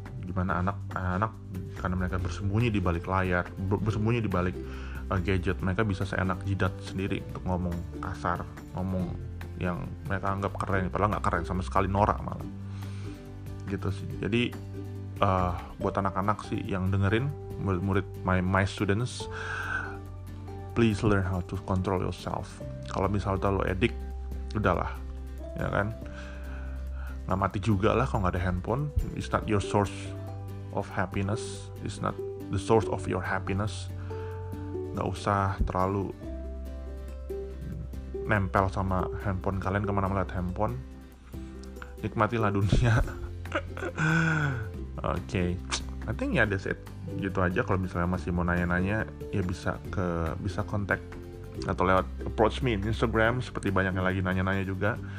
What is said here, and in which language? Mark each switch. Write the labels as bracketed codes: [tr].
[id] Gimana anak-anak karena mereka bersembunyi di balik layar, bersembunyi di balik gadget, mereka bisa seenak jidat sendiri untuk ngomong kasar, ngomong yang mereka anggap keren, padahal nggak keren sama sekali, norak malah. Gitu sih. Jadi buat anak-anak sih yang dengerin, murid-murid, [en] my students, please learn how to control yourself. [id] Kalau misalnya lo edik, udahlah, ya kan, nggak mati juga lah kalau nggak ada handphone. [en] It's not your source of happiness, it's not the source of your happiness. [id] Nggak usah terlalu nempel sama handphone kalian, kemana-mana lihat handphone, nikmatilah dunia. [en] Okay, I think yeah, that's it. [id] Gitu aja. Kalau misalnya masih mau nanya-nanya, ya bisa kontak atau lewat [en] approach me in Instagram. [id] Seperti banyak yang lagi nanya-nanya juga.